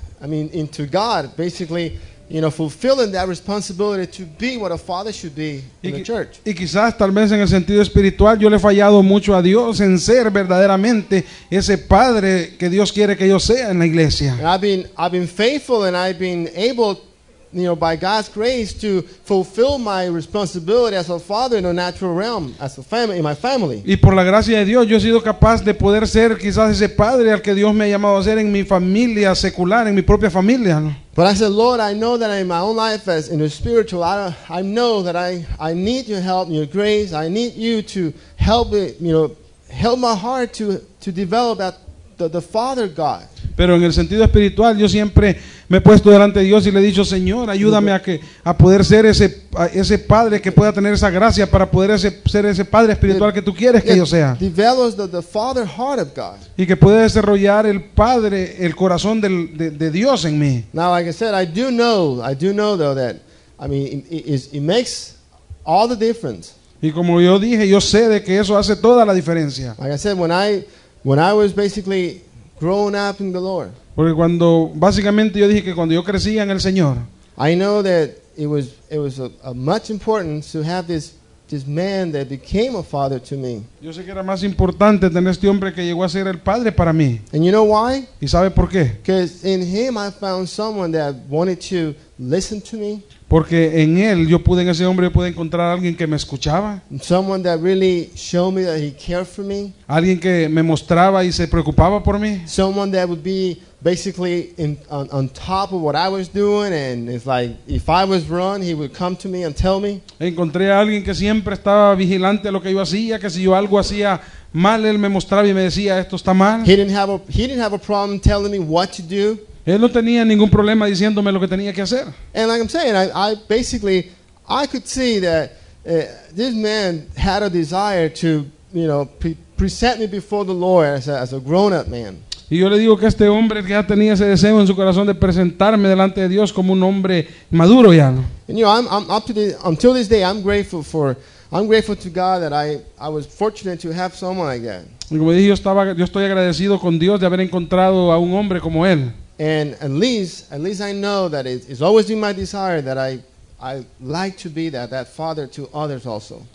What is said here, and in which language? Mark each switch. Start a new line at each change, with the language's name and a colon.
English: I mean, into God, basically, you know, fulfilling that responsibility to be what a father should be in the church.
Spanish: Y quizás tal vez en el sentido espiritual yo le he fallado mucho a Dios en ser verdaderamente ese padre que Dios quiere que yo sea en la iglesia.
English: And I've been faithful and I've been able, you know, by God's grace, to fulfill my responsibility as a father in a natural realm, as a family, in my family.
Spanish: Y por la gracia de Dios, yo he sido capaz de poder ser quizás ese padre al que Dios me ha llamado a ser en mi familia secular, en mi propia familia.
English: But I said, Lord, I know that in my own life, as in the spiritual, I know that I need your help, your grace. I need you to help me, you know, help my heart to develop that the Father God.
Spanish: Pero en el sentido espiritual, yo siempre me he puesto delante de Dios y le he dicho, Señor, ayúdame a poder ser ese padre que pueda tener esa gracia para poder ser ese padre espiritual que tú quieres que yo sea.
English: Develops the father heart of God.
Spanish: Y que pueda desarrollar el padre, el corazón de Dios en mí.
English: Now, like I said, I do know though that, I mean, it makes all the difference.
Spanish: Y como yo dije, yo sé de que eso hace toda la diferencia.
English: Like I said, when I was basically grown up in the Lord.
Spanish: Porque cuando básicamente yo dije que cuando yo crecía en el Señor.
English: I know that it was a much importance to have this man that became a father to me.
Spanish: Yo sé que era más importante tener este hombre que llegó a ser el padre para mí.
English: And you know why?
Spanish: ¿Y sabe por qué?
English: Because in him I found someone that wanted to listen to me.
Spanish: Porque en él yo pude, en ese hombre yo pude encontrar a alguien que me escuchaba.
English: Someone that really showed me that he cared for me.
Spanish: Alguien que me mostraba y se preocupaba por mí.
English: Someone that would be basically on top of what I was doing, and it's like if I was wrong, he would come to me and tell me.
Spanish: Encontré a alguien que siempre estaba vigilante a lo que yo hacía, que si yo algo hacía mal, él me mostraba y me decía, esto está mal.
English: He didn't have a problem telling me what to do.
Spanish: Él no tenía ningún problema diciéndome lo que tenía que hacer.
English: And like I'm saying, I basically could see that this man had a desire to, you know, present me before the Lord as a grown-up man.
Spanish: Y yo le digo que este hombre ya tenía ese deseo en su corazón de presentarme delante de Dios como un hombre maduro ya.
English: And you know, until this day, I'm grateful to God that I was fortunate to have someone like that.
Spanish: Y como dije, yo estoy agradecido con Dios de haber encontrado a un hombre como él.
English: And at least I know that it's always been my desire that I like to be that father to others also.